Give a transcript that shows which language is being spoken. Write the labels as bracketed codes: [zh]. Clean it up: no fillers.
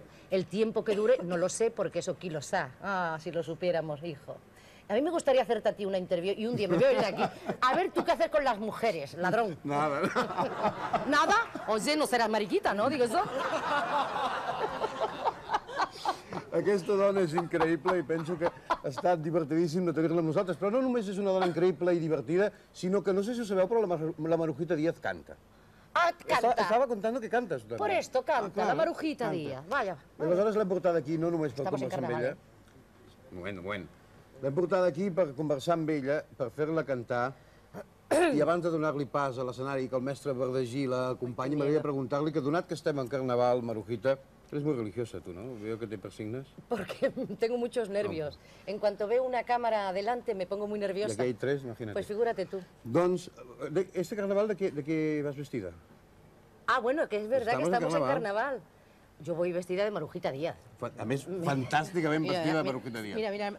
[es] El tiempo que dure, no lo sé, porque eso aquí lo sa. Ah, si lo supiéramos, hijo. A mí me gustaría hacerte a ti una entrevista y un día me voy a ir de aquí. A ver tú qué haces con las mujeres, ladrón. Nada. ¿Nada? Oye, no serás mariquita, ¿no? Digo eso. [ca] Aquesta dona és increïble i penso que ha estat divertidíssim de tenir-la amb nosaltres. Però no només és una dona increïble i divertida, sinó que no sé si ho sabeu, però la Marujita Díaz canta. Ah, canta. Estava contando que cantes. Dona. [es] Por esto, canta, ah, clar, la Marujita canta. Díaz. Vaya, vaya. [ca] Aleshores l'hem portat aquí no només per conversar amb ella. Moment. L'hem portat aquí per conversar amb ella, per fer-la cantar. I abans de donar-li pas a l'escenari que el mestre Verdagí l'acompanyi, m'agradaria preguntar-li que donat que estem en carnaval, [es] Marujita, eres muy religiosa tú, ¿no? Veo que te persignas. Porque tengo muchos nervios. No. En cuanto veo una cámara adelante me pongo muy nerviosa. Y aquí hay tres, imagínate. Pues figúrate tú. Doncs, ¿este carnaval de qué vas vestida? Ah, bueno, que es verdad estamos en carnaval. Yo voy vestida de Marujita Díaz. [ca] A més, fantàsticament vestida de Marujita Díaz.